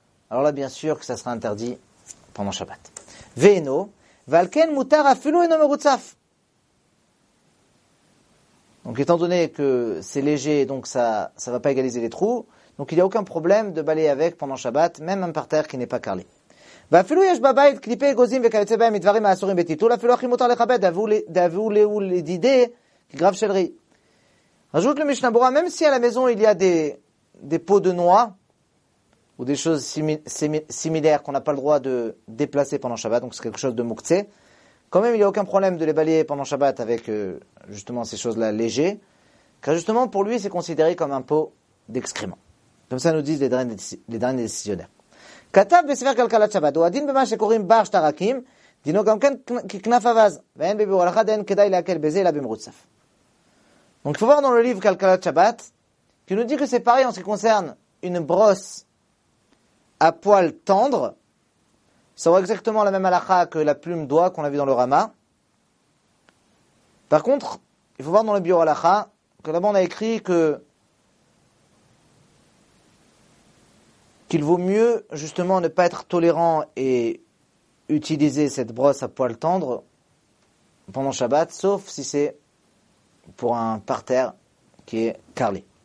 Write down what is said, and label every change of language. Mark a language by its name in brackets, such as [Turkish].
[French] Alors là, bien sûr que ça sera interdit pendant Shabbat. [Hebrew] Veino, valken mutar afilu eno merutzaf. [French] Donc, étant donné que c'est léger, donc ça va pas égaliser les trous, donc il n'y a aucun problème de balayer avec pendant Shabbat, même un parterre qui n'est pas carrelé. [Hebrew] ואפילו יש בבית קליפי אגוזים וכיוצא בהם מדברים האסורים בטיטול, אפילו הכי מותר לכבד, דאבו לאו לדידי כגרב של רי. [French] Rajoute le Mishnah Bura, même si à la maison il y a des pots de noix ou des choses similaires qu'on n'a pas le droit de déplacer pendant Shabbat, donc c'est quelque chose de mukhtse, quand même il n'y a aucun problème de les balayer pendant Shabbat avec justement ces choses-là légères, car justement pour lui c'est considéré comme un pot d'excréments. Comme ça nous disent les derniers décisionnaires. [Hebrew] כתב בספר כלכלת שבת, הוא עדין במה שקוראים בר שטרקים, דינו גם כן ככנף אבז, ואין בביאור הלכה, דין כדאי להקל בזה, אלא במרוצף. [French] Donc, il faut voir dans le livre כלכלת שבת, qui nous dit que c'est pareil en ce qui concerne une brosse à poil tendre, ça aura exactement la même halakha que la plume d'oie qu'on a vu dans le Rama. Par contre, il faut voir dans le biur halakha, que là-bas on a écrit que qu'il vaut mieux justement ne pas être tolérant et utiliser cette brosse à poil tendre pendant Shabbat, sauf si c'est pour un parterre qui est carrelé.